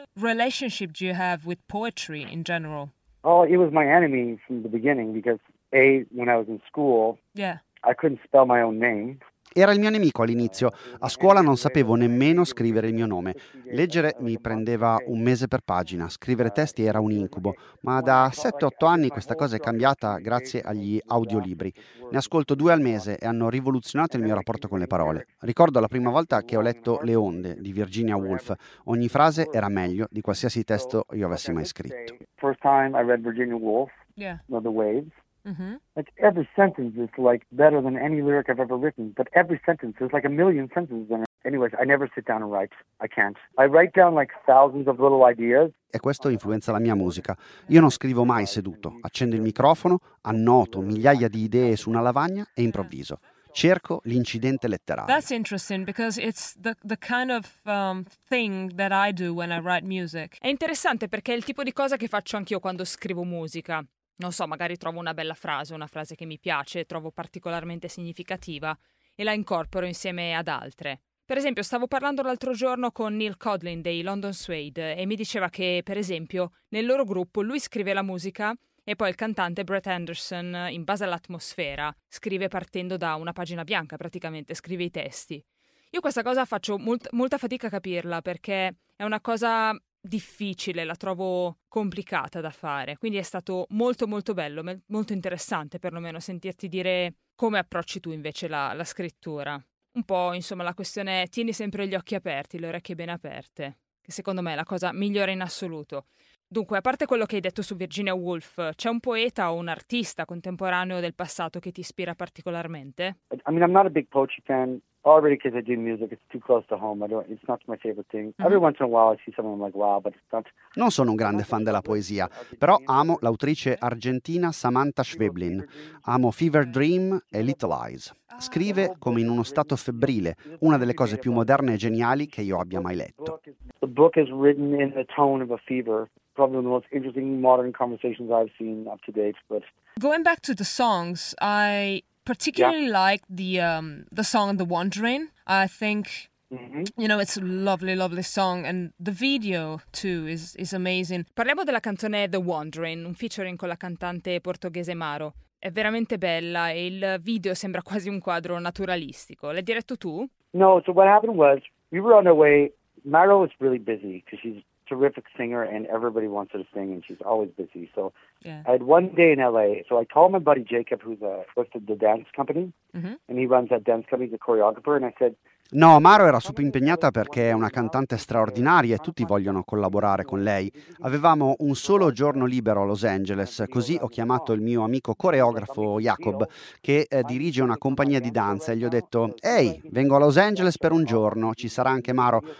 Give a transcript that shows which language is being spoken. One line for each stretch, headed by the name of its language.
English: Relationship do you have with poetry in general? Oh, it was my enemy from the beginning because, A, when I was in school, I couldn't spell my own name.
Italian: Era il mio nemico all'inizio. A scuola non sapevo nemmeno scrivere il mio nome. Leggere mi prendeva un mese per pagina, scrivere testi era un incubo. Ma da 7-8 anni questa cosa è cambiata grazie agli audiolibri. Ne ascolto due al mese e hanno rivoluzionato il mio rapporto con le parole. Ricordo la prima volta che ho letto Le onde di Virginia Woolf. Ogni frase era meglio di qualsiasi testo io avessi mai scritto.
English: First time I read Virginia Woolf, The Waves. Mm-hmm. Like every sentence is like better than any lyric I've ever written, but every sentence is like a million sentences in it. Anyways, I never sit down and write. I can't. I write down like thousands of little ideas.
Italian: E questo influenza la mia musica. Io non scrivo mai seduto. Accendo il microfono, annoto migliaia di idee su una lavagna e improvviso. Cerco l'incidente letterario.
English: That's interesting because it's the kind of thing that I do when I write music.
Italian: È interessante perché è il tipo di cosa che faccio anch'io quando scrivo musica. Non so, magari trovo una bella frase, una frase che mi piace, trovo particolarmente significativa e la incorporo insieme ad altre. Per esempio, stavo parlando l'altro giorno con Neil Codling dei London Suede e mi diceva che, per esempio, nel loro gruppo lui scrive la musica e poi il cantante Brett Anderson, in base all'atmosfera, scrive partendo da una pagina bianca, praticamente, scrive i testi. Io questa cosa faccio molta fatica a capirla perché è una cosa difficile, la trovo complicata da fare, quindi è stato molto molto bello, molto interessante perlomeno sentirti dire come approcci tu invece la scrittura. Un po', insomma, la questione è tieni sempre gli occhi aperti, le orecchie ben aperte, che secondo me è la cosa migliore in assoluto. Dunque, a parte quello che hai detto su Virginia Woolf, c'è un poeta o un artista contemporaneo del passato che ti ispira particolarmente?
English: I mean, I'm not a big poetry fan. Already because I do music, it's too close to home. It's not my favorite thing. Every once in a while I see someone, I'm like, wow, but it's not.
Italian: Non sono un grande fan della poesia, però amo l'autrice argentina Samantha Schweblin. Amo Fever Dream e Little Eyes. Scrive come in uno stato febbrile, una delle cose più moderne e geniali che io abbia mai letto.
English: The book is written in the tone of a fever. Probably one of the most interesting modern conversations I've seen up to date. But going back to the songs, I particularly like the song The Wandering. I think you know, it's a lovely, lovely song, and the video too is amazing.
Italian: Parliamo della canzone The Wandering, un featuring con la cantante portoghese Maro. È veramente bella e il video sembra quasi un quadro naturalistico. L'hai diretto tu?
English: No, so what happened was we were on our way. Maro was really busy because she's a terrific singer and everybody wants her to sing and she's always busy. So I had one day in LA, so I called my buddy Jacob, who's a the dance company, and he runs that dance company, the choreographer, and I said,
Italian: no, Maro era super impegnata perché è una cantante straordinaria e tutti vogliono collaborare con lei. Avevamo un solo giorno libero a Los Angeles, così ho chiamato il mio amico coreografo Jacob, che dirige una compagnia di danza, e gli ho detto, ehi, vengo a Los Angeles per un giorno, ci sarà anche Maro.